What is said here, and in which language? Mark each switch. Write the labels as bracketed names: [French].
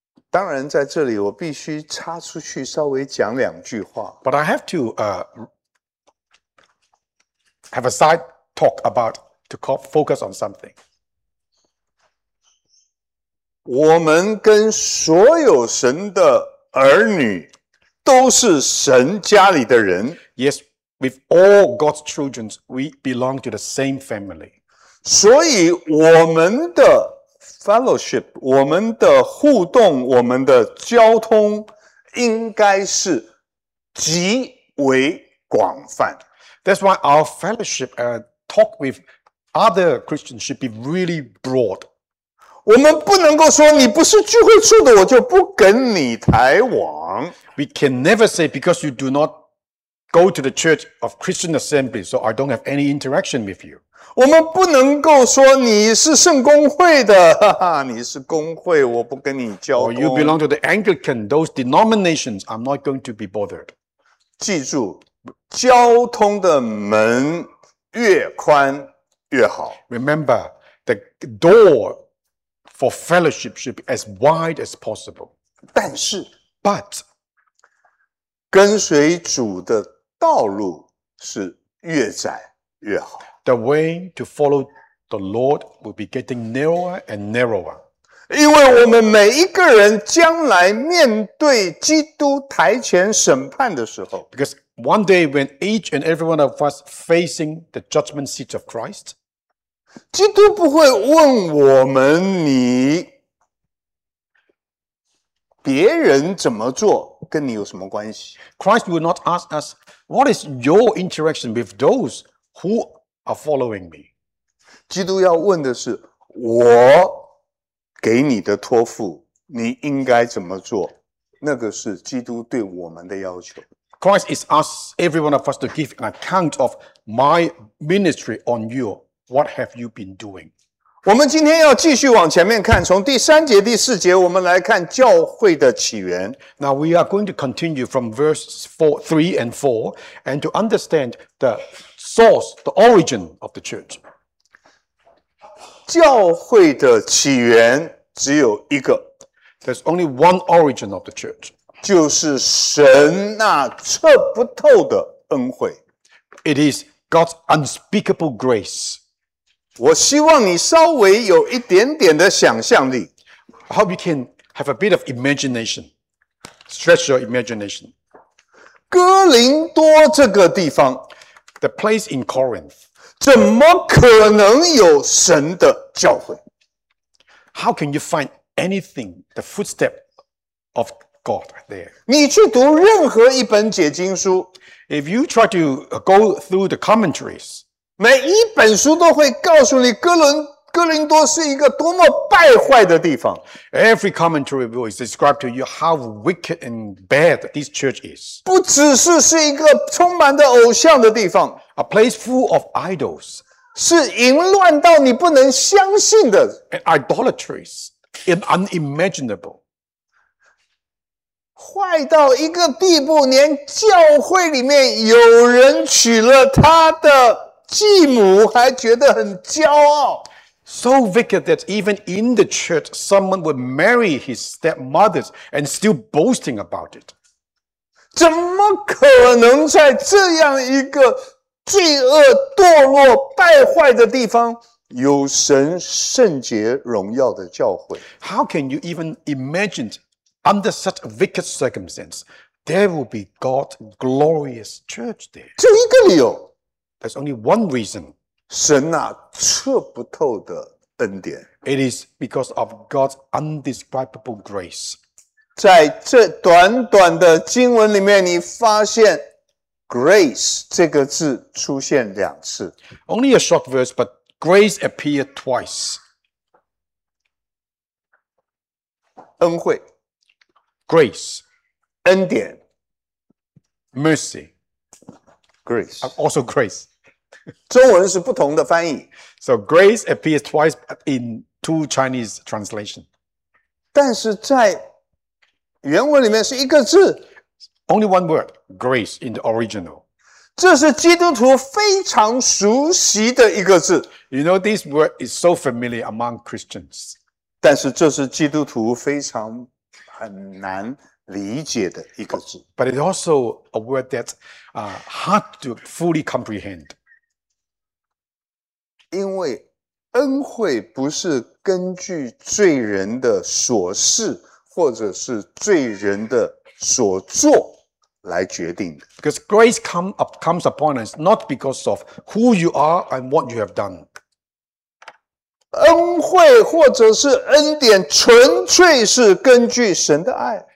[Chinese] 当然，在这里我必须插出去稍微讲两句话。 [English] But I have to have a side talk about to focus on something. [Chinese] 我们跟所有神的儿女都是神家里的人。 [English] Yes, with all God's children, we belong to the same family. [Chinese] 所以我们的。 Fellowship, 我们的互动，我们的交通应该是极为广泛。 [English] That's why our fellowship and talk with other Christians should be really broad. [Chinese] 我们不能够说你不是聚会处的，我就不跟你来往。 [English] We can never say because you do not go to the church of Christian assembly, so I don't have any interaction with you. [Chinese] 我们不能够说你是圣公会的，哈哈，你是公会，我不跟你交通。 [English] Or you belong to the Anglican, those denominations, I'm not going to be bothered. [Chinese] 记住，交通的门越宽越好。 [English] Remember, the door for fellowship should be as wide as possible. [Chinese] 但是 [English] ，but [Chinese] 跟随主的道路是越窄越好。 [English] The way to follow the Lord will be getting narrower and narrower. [Chinese] 因为我们每一个人将来面对基督台前审判的时候 [English] ，Because one day when each and every one of us facing the judgment seat of Christ, [Chinese] 基督不会问我们你别人怎么做跟你有什么关系 [English] ？Christ will not ask us what is your interaction with those who are following me. [Chinese] 基督要问的是我给你的托付你应该怎么做那个是基督对我们的要求。 [English] Christ is asking every one of us to give an account of my ministry on you. What have you been doing? [Chinese] 我们今天要继续往前面看，从第三节、第四节，我们来看教会的起源。 [English] Now we are going to continue from verse 3 and 4, and to understand the source, the origin of the church. [Chinese] 教会的起源只有一个。 [English] There's only one origin of the church. [Chinese] 就是神那测不透的恩惠。 [English] It is God's unspeakable grace. [Chinese] 我希望你稍微有一点点的想象力。 [English] I hope you can have a bit of imagination. Stretch your imagination. [Chinese] 哥林多这个地方 [English] The place in Corinth. [Chinese] 怎么可能有神的教会？ [English] How can you find anything, the footstep of God there? [Chinese] 你去读任何一本解经书 [English] If you try to go through the commentaries, [Chinese] 每一本书都会告诉你哥林多是一个多么败坏的地方。 [English] Every commentary will describe to you how wicked and bad this church is. [Chinese] 不只是一个充满着偶像的地方。 [English] A place full of idols. [Chinese] 是淫乱到你不能相信的。 [English] And idolatries. And unimaginable. [Chinese] 坏到一个地步，连教会里面有人娶了他的继母还觉得很骄傲。 [English] So wicked that even in the church, someone would marry his stepmother and still boasting about it. [Chinese] 怎么可能在这样一个罪恶、堕落、败坏的地方有神圣洁、荣耀的教会？ [English] How can you even imagine under such wicked circumstance, there will be God's glorious church there? [Chinese] 就一个理由。 [English] There's only one reason. [Chinese] 神啊，测不透的恩典。 [English] It is because of God's undescribable grace. [Chinese] 在这短短的经文里面，你发现 grace 这个字出现两次。 [English] Only a short verse, but grace appeared twice. [Chinese] 恩惠 [English] grace, [Chinese] 恩典 [English] mercy, grace, also grace. [Chinese] 中文是不同的翻译。 [English] So grace appears twice in two Chinese translations. [Chinese] 但是在原文里面是一个字。 [English] Only one word, grace in the original. [Chinese] 这是基督徒非常熟悉的一个字。 [English] You know, this word is so familiar among Christians. [Chinese] 但是这是基督徒非常很难理解的一个字。 [English] But it's also a word that's hard to fully comprehend. [Chinese] 因为恩惠不是根据罪人的所事或者是罪人的所作来决定的。 [English] Because grace comes upon us not because of who you are and what you have done. [Chinese] 恩惠或者是恩典纯粹是根据神的爱。